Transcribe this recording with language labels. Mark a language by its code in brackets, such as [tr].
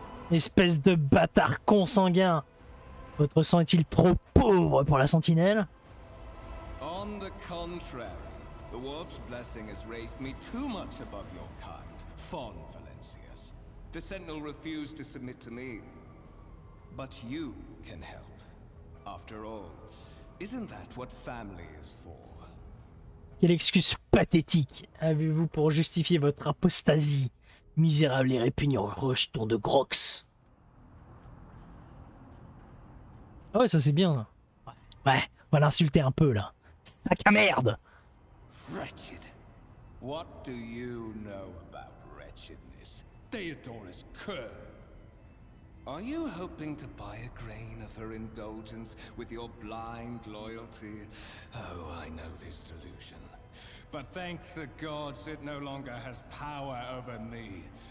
[fr] Espèce de bâtard consanguin. Votre sang est-il trop pauvre pour la sentinelle. [en] On the contrary, the warp's blessing has raised me too much above your kind, Fawn Valencius. The Sentinel refused to submit to me. But you can help. After all, isn't that what family is for? [fr] Quelle excuse pathétique avez-vous pour justifier votre apostasie, misérable et répugnant rejeton de Grox? Ah ouais, ça c'est bien. Ouais, on va l'insulter un peu là. Sac à merde! [en] Wretched. What do you know about wretchedness? Theodorus Kerr. Are you hoping to buy a grain of her indulgence with your blind loyalty? Oh, I know this delusion. But thank the gods it no longer has power over me.